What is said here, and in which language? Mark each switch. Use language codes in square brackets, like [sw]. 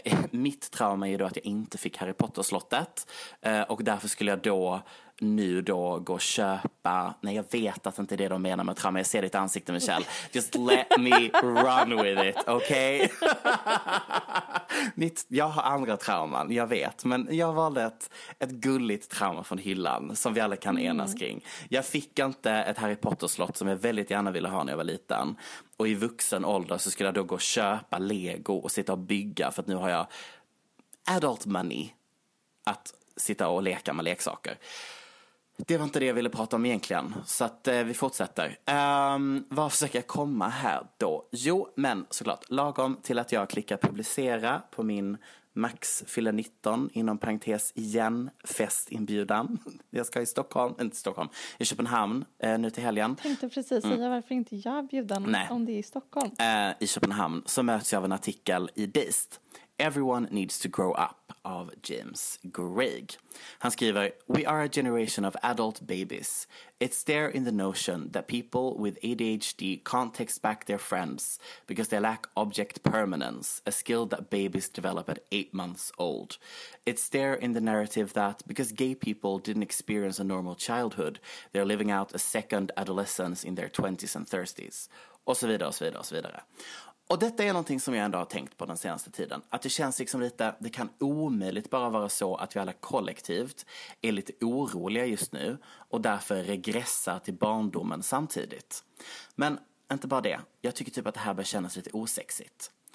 [sv] Mitt trauma är då att jag inte fick Harry Potter-slottet. Och därför skulle jag då nu då gå och köpa... Nej, jag vet att det inte är det de menar med trauma. Jag ser ditt ansikte, Michelle. [en] Just let me run with it, okay? [sv] Jag har andra trauman, jag vet. Men jag valde ett gulligt trauma från hyllan som vi alla kan enas kring. Jag fick inte ett Harry Potter-slott som jag väldigt gärna ville ha när jag var liten. Och i vuxen ålder så skulle jag då gå och köpa Lego och sitta och bygga. För att nu har jag [en] adult money [sv] att sitta och leka med leksaker. Det var inte det jag ville prata om egentligen. Så att vi fortsätter. Vad försöker jag komma här då? Jo, men såklart. Lagom till att jag klickar publicera på min Max fyller 19 inom parentes igen festinbjudan. Jag ska i Stockholm, inte Stockholm, i Köpenhamn nu till helgen. Tänkte precis säga varför inte jag bjuder om det är i Stockholm. I Köpenhamn så möts jag av en artikel i Dist. [en] Everyone needs to grow up av James Greig. [sv] Han skriver, [en] we are a generation of adult babies. It's there in the notion that people with ADHD can't text back their friends because they lack object permanence, a skill that babies develop at 8 months old. It's there in the narrative that because gay people didn't experience a normal childhood, they're living out a second adolescence in their 20s and 30s. [sv] Och så vidare, och så vidare, och så vidare. Och detta är någonting som jag ändå har tänkt på den senaste tiden. Att det känns liksom lite, det kan omöjligt bara vara så att vi alla kollektivt är lite oroliga just nu. Och därför regressar till barndomen samtidigt. Men inte bara det, jag tycker typ att det här börjar kännas lite osexigt.